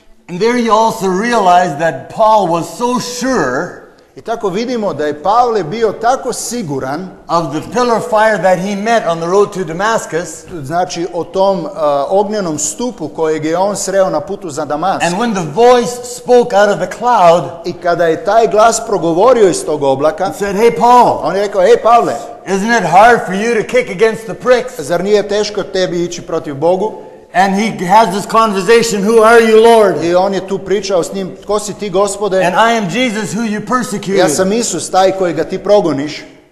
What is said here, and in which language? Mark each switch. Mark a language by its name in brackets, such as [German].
[English] And there you also realize that Paul was so sure. [Croatian] I tako vidimo da je Pavle bio tako siguran [English] of the pillar fire that he met on the road to Damascus. [Croatian] Znači o tom ognjenom stupu kojeg je on sreo na putu za Damask. [English] And when the voice spoke out of the cloud, [Croatian] i kada je taj glas progovorio iz tog oblaka, [English] he said, "Hey Paul." [Croatian] On je rekao, "Hey Pavle." [English] Isn't it hard for you to kick against the pricks? [Croatian] Zar nije teško tebi ići protiv Bogu? [English] And he has this conversation, who are you, Lord? [Croatian] I on je tu pričao s njim, tko si ti, Gospode? [English] And I am Jesus who you persecuted. [Croatian] Ja sam Isus, taj kojega ti progoniš.